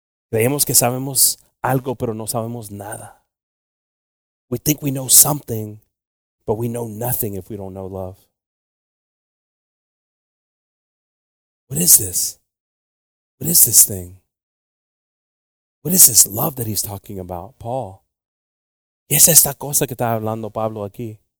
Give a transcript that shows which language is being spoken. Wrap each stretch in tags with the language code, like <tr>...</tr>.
<es>Creemos que sabemos algo, pero no sabemos nada.</es> <en>We think we know something, but we know nothing if we don't know love. What is this? What is this thing? What is this love that he's talking about? Paul.</en> <es>¿Qué es esta cosa que está hablando Pablo aquí?</es>